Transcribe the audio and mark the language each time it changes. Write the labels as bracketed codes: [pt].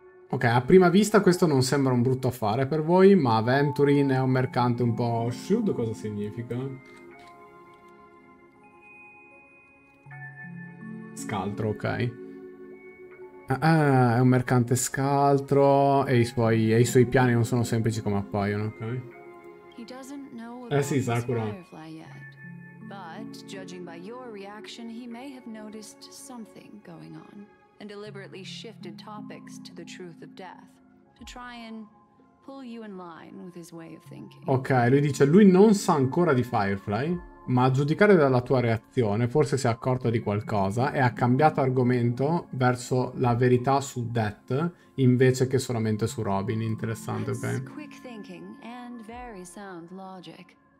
[it] Ok, a prima vista questo non sembra un brutto affare per voi, ma Aventurine è un mercante un po' shrewd, cosa significa? Scaltro, ok. Ah, è un mercante scaltro e i suoi piani non sono semplici come appaiono, ok? Sì, Sakura. [en] But judging by your reaction, he may have noticed something going on and deliberately shifted topics to the truth of death to try and pull you in line with his way of thinking. [it] Ok, lui dice lui non sa ancora di Firefly, ma a giudicare dalla tua reazione, forse si è accorto di qualcosa e ha cambiato argomento verso la verità su Death invece che solamente su Robin. Interessante, ok. [en] Quick thinking and very sound logic.